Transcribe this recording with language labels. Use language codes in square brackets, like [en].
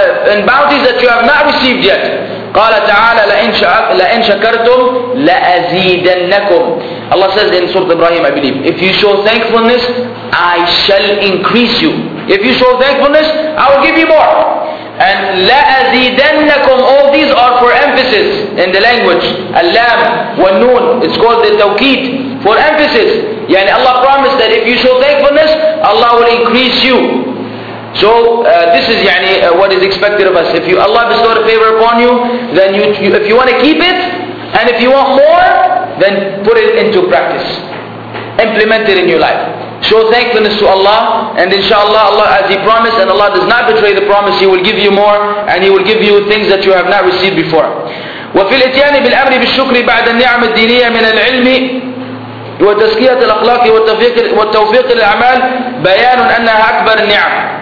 [en] and bounties that you have not received yet. [ar] قال تعالى لئن شكرتم لأزيدنكم. [en] Allah says in Surah Ibrahim, I believe, if you show thankfulness, I shall increase you. If you show thankfulness, I will give you more. And لأزيدنكم, all these are for emphasis in the language. [ar] اللام والنون, [en] it's called the توكيد, for emphasis. يعني Allah promised that if you show thankfulness, Allah will increase you. So this is يعني what is expected of us. If you, Allah bestowed a favor upon you, then you if you want to keep it, and if you want more, then put it into practice. Implement it in your life. Show thankfulness to Allah, and inshallah, Allah, as He promised, and Allah does not betray the promise, He will give you more, and He will give you things that you have not received before. [ar] وفي الاتيان بالأمر بالشكر بعد النعم الدينية من العلم وتزكية الأخلاق والتوفيق للأعمال بيان أنها أكبر النعم.